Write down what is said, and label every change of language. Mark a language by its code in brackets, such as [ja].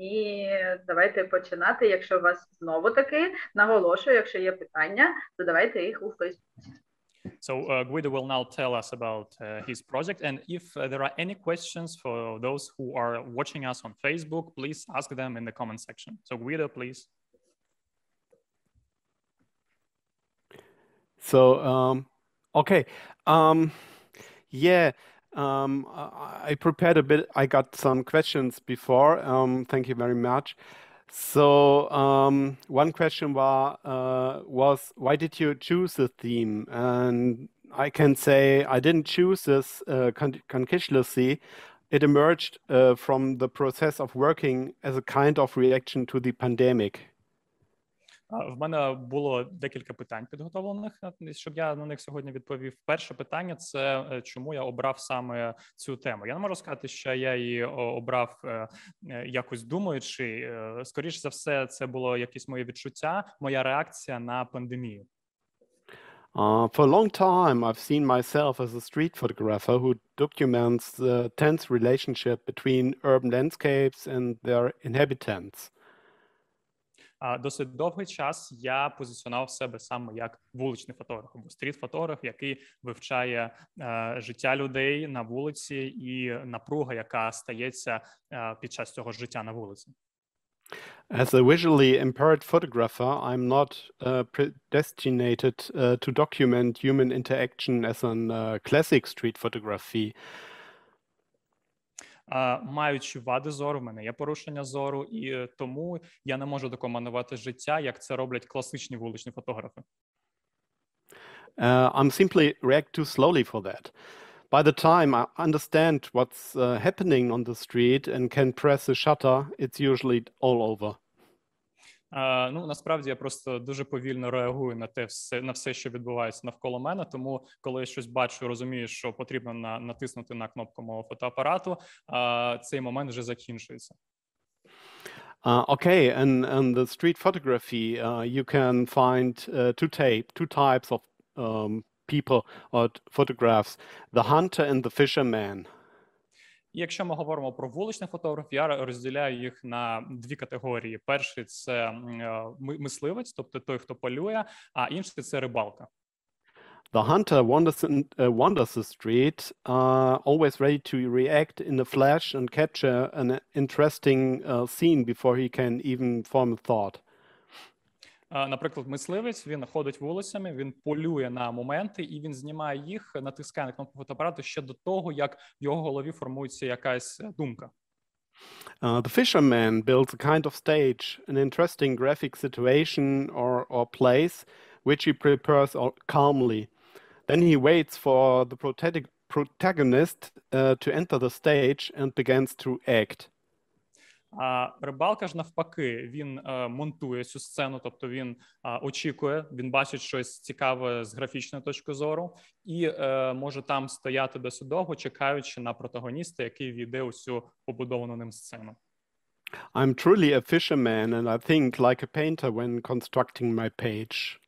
[uk] І давайте починати, якщо у вас знову таки, наголошую, якщо є питання, задавайте їх у Фейсбуці. [en] So Guido will now tell us about his project, and if there are any questions for those who are watching us on Facebook, please ask them in the comment section. So Guido, please. So okay. I prepared a bit. I got some questions before. Thank you very much. So one question was why did you choose the theme? And I can say I didn't choose this consciously. It emerged from the process of working as a kind of reaction to the pandemic. [uk] В мене було декілька питань підготовлених, щоб я на них сьогодні відповів. Перше питання – це чому я обрав саме цю тему. Я не можу сказати, що я її обрав якось думаючи. Скоріше за все, це було якісь мої відчуття, моя реакція на пандемію. [en] For a long time, I've seen myself as a street photographer who documents the tense relationship between urban landscapes and their inhabitants. [uk] Досить довгий час я позиціонував себе саме як вуличний фотограф або стріт-фотограф, який вивчає життя людей на вулиці і напруга, яка стається під час цього життя на вулиці. [en] As a visually impaired photographer, I'm not predestinated to document human interaction as an classic street photography. [uk] Маючи вади зору, в мене є порушення зору, і тому я не можу документувати життя, як це роблять класичні вуличні фотографи. [en] I'm simply react too slowly for that. By the time I understand what's happening on the street and can press the shutter, it's usually all over. [uk] Насправді я просто дуже повільно реагую на те все, на все, що відбувається навколо мене. Тому коли я щось бачу, розумію, що потрібно натиснути на кнопку мого фотоапарату, цей момент вже закінчується. [en] Okay, and the street photography, you can find two types of people or photographs: the hunter and the fisherman. [uk] І якщо ми говоримо про вуличних фотографів, я розділяю їх на дві категорії. Перший – це мисливець, тобто той, хто полює, а інший – це рибалка. [en] The hunter wanders the street, always ready to react in a flash and capture an interesting scene before he can even form a thought. [uk] Наприклад, мисливець, він ходить вулицями, він полює на моменти і він знімає їх, натискає на кнопку фотоапарату ще до того, як в його голові формується якась думка. [en] The fisherman builds a kind of stage, an interesting graphic situation or place, which he prepares calmly. Then he waits for the protagonist to enter the stage and begins to act. [uk] А рибалка ж навпаки, він монтує цю сцену, тобто він очікує, він бачить щось цікаве з графічної точки зору і може там стояти досить довго, чекаючи на протагоніста, який війде у цю побудовану ним сцену. [en] I'm truly a fisherman, and I think like a painter when constructing my page.